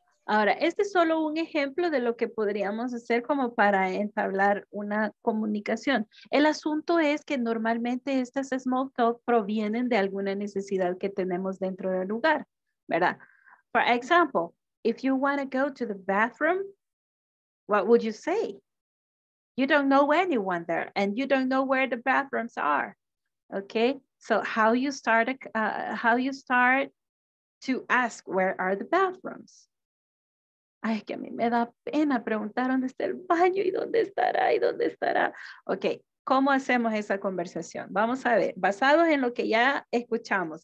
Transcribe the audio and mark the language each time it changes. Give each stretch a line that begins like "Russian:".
Spanish: Ahora, este es solo un ejemplo de lo que podríamos hacer como para entablar una comunicación. El asunto es que normalmente estas small talk provienen de alguna necesidad que tenemos dentro del lugar, ¿verdad?
English: For example, if you want to go to the bathroom, what would you say? You don't know anyone there and you don't know where the bathrooms are, okay? So how you start to ask where are the bathrooms?
Spanish: Ay, que a mí me da pena preguntar dónde está el baño y dónde estará y dónde estará. Ok, ¿cómo hacemos esa conversación? Vamos a ver, basados en lo que ya escuchamos.